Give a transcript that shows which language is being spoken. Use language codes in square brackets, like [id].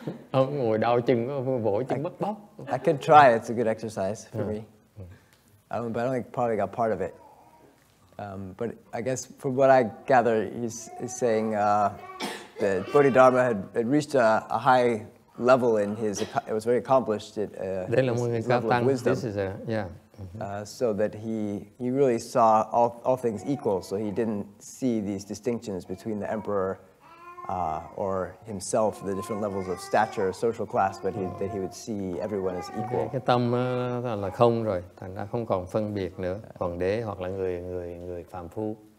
[vi] Ông ngồi đau chân, vỗ chân bất bóc. [en] I can try. It's a good exercise for me. But I only probably got part of it. But I guess from what I gather, he's saying that Bodhidharma had reached a high level in his. It was very accomplished. [vi] Đây là một người cao tăng. [en] This is a yeah. So that he really saw all things equal, so he didn't see these distinctions between the emperor or himself, the different levels of stature, social class, but that he would see everyone as equal. [vi] Cái tâm là không rồi, thành ra không còn phân biệt nữa, hoàng đế hoặc là người phàm phu.